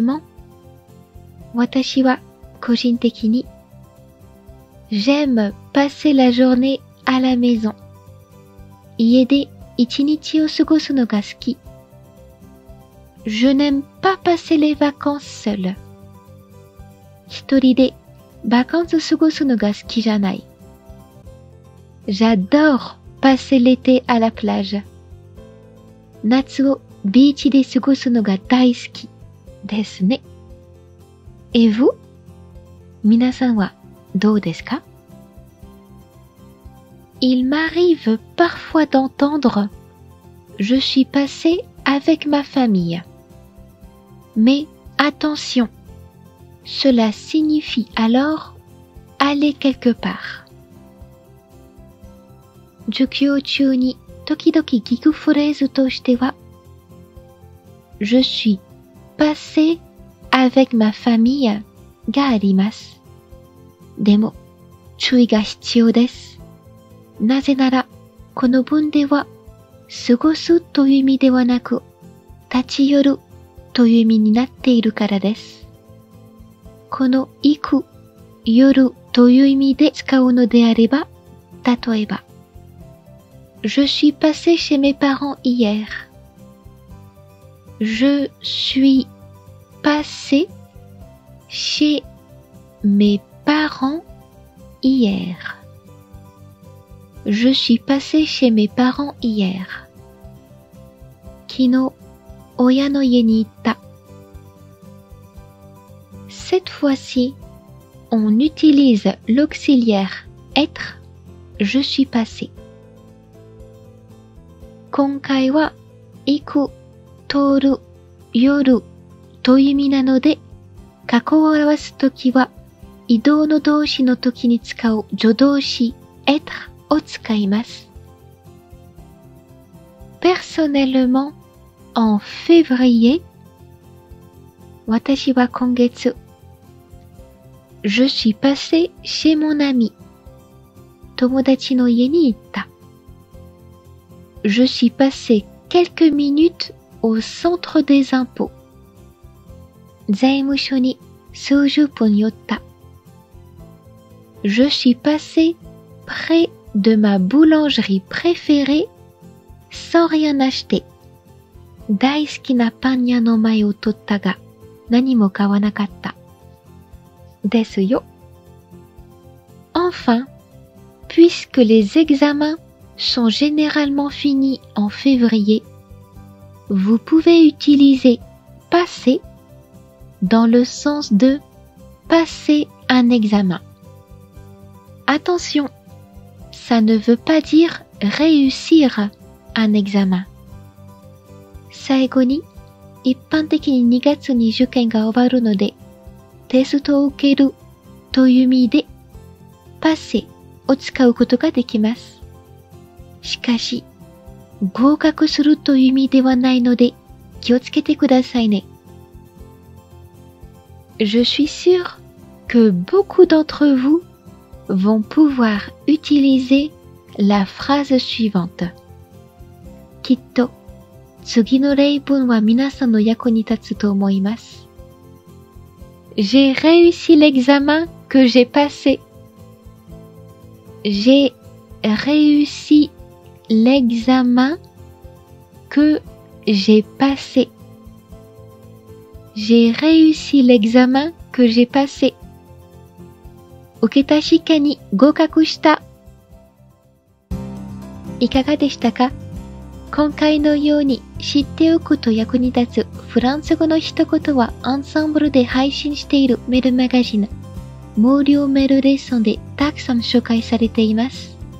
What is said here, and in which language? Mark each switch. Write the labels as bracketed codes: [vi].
[fr] Personnellement, [ja] 私は個人的に、 [fr] J'aime passer la journée à la maison. [ja] 家で一日を過ごすのが好き。 [fr] Je n'aime pas passer les vacances seul. [ja] 一人でバカンス過ごすのが好きじゃない。 [fr] J'adore passer l'été à la plage. [ja] 夏をビーチで過ごすのが大好きですね。 [fr] Et vous? [ja] 皆さんはどうですか? [fr] Il m'arrive parfois d'entendre « Je suis passé avec ma famille. » Mais attention, cela signifie alors « aller quelque part. » [ja] 授業中に時々聞くフレーズとしては [fr] 「Je suis passé avec ma famille » [ja] があります。でも、注意が必要です。なぜなら、この文では、過ごすという意味ではなく、立ち寄るという意味になっているからです。この行く、寄るという意味で使うのであれば、例えば、 [fr] Je suis passé chez mes parents hier. Je suis passé chez mes parents hier. Je suis passé chez mes parents hier. [ja] 昨日、親の家に行った。 [fr] Cette fois-ci, on utilise l'auxiliaire être, je suis passé. [ja] 今回は、行く、通る、寄るという意味なので、過去を表すときは、移動の動詞のときに使う助動詞 être,を使います。 [fr] Personnellement, en février, [ja] 私は今月、 [fr] Je suis passé chez mon ami, [ja] 友達の家に行った。 [fr] Je suis passé quelques minutes au centre des impôts, [ja] 財務署に数十分寄った。 [fr] Je suis passé près de ma boulangerie préférée sans rien acheter. [ja] 大好きなパン屋の前を通ったが何も買わなかった。ですよ。 [fr] Enfin, puisque les examens sont généralement finis en février, vous pouvez utiliser passer dans le sens de passer un examen. Attention! Ça ne veut pas dire réussir un examen. [ja] 最後に、一般的に2月に受験が終わるので、テストを受けるという意味で、passer を使うことができます。しかし、合格するという意味ではないので、気をつけてくださいね。 [fr] Je suis sûr que beaucoup d'entre vous vont pouvoir utiliser la phrase suivante. [ja] きっと、次の例文は皆さんの役に立つと思います。 [fr] J'ai réussi l'examen que j'ai passé. J'ai réussi l'examen que j'ai passé. J'ai réussi l'examen que j'ai passé. [ja] 受けた試験に合格した。いかがでしたか？今回のように知っておくと役に立つフランス語の一言はアンサンブルで配信しているメールマガジン、無料メールレッスンでたくさん紹介されています。